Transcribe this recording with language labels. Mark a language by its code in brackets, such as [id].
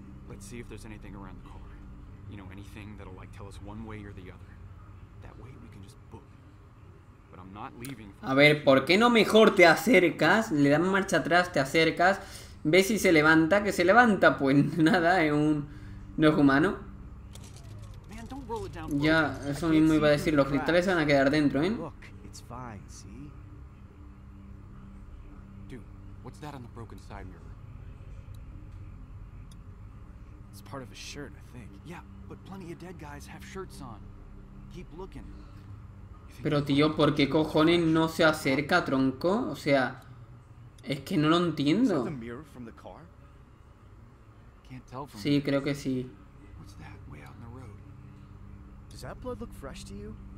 [en] Let's see if there's anything around the car. You know, anything that'll like tell us one way or the other. That way we can just book. But I'm not leaving. [es] A ver, ¿por qué no mejor te acercas? Le dan marcha atrás, te acercas. Ves si se levanta, que se levanta, pues nada, es un no es humano. [en] Man, don't roll it down. [es] Ya, eso mismo iba a decir, los cristales se van a quedar dentro, ¿eh? [en] Look, it's fine, see? Dude, what's that on the broken side mirror? Part of a shirt, I think. Yeah, but plenty of dead guys have shirts on. Keep looking. [es] Pero tío, ¿por qué cojones no se acerca, tronco? O sea, es que no lo entiendo. [en] Is that the mirror from the car? Can't tell from. [es] Sí, creo que sí. [en] What's that way out in the road? Does that blood look fresh to you?